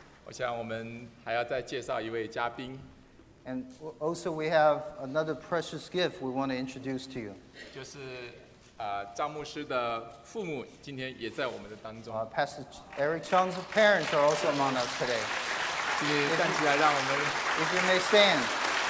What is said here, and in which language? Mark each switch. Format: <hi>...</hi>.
<zh>想我们还要再介绍一位嘉宾。</zh> <en>And also we have another precious gift we want to introduce to you.</en> <zh>就是张牧师的父母今天也在我们的当中。</zh> <en>Pastor Eric Chung's parents are also among us today.</en> <zh>请站起来让我们。</zh> <en>If you may stand.</en>